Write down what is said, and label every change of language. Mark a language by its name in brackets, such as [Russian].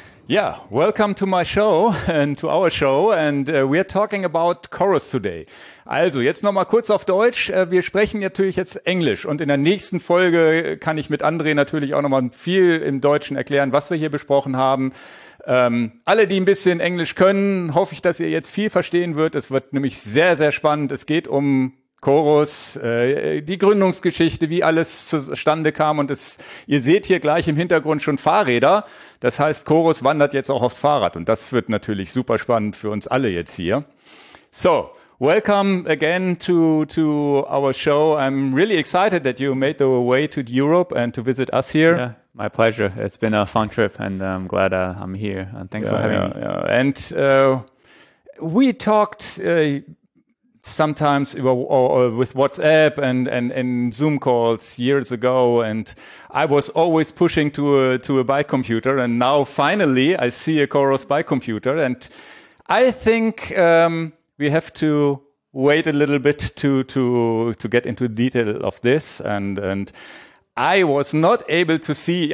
[English] Yeah, welcome to my show and to our show, and we are talking about Chorus today. [German] Also, jetzt nochmal kurz auf Deutsch. Wir sprechen natürlich jetzt Englisch und in der nächsten Folge kann ich mit André natürlich auch nochmal viel im Deutschen erklären, was wir hier besprochen haben. Alle, die ein bisschen Englisch können, hoffe ich, dass ihr jetzt viel verstehen wird. Es wird nämlich sehr, sehr spannend. Es geht um Chorus, die Gründungsgeschichte, wie alles zustande kam, und ihr seht hier gleich im Hintergrund schon Fahrräder. Das heißt, Chorus wandert jetzt auch aufs Fahrrad und das wird natürlich super spannend für uns alle jetzt hier. [English] So, welcome again to our show. I'm really excited that you made the way to Europe and to visit us here. Yeah. My pleasure. It's been a fun trip and I'm glad I'm here. And thanks for having me. Yeah. And we talked sometimes with WhatsApp and Zoom calls years ago, and I was always pushing to a bike computer, and now finally I see a Chorus bike computer, and I think we have to wait a little bit to get into the detail of this, and I was not able to see.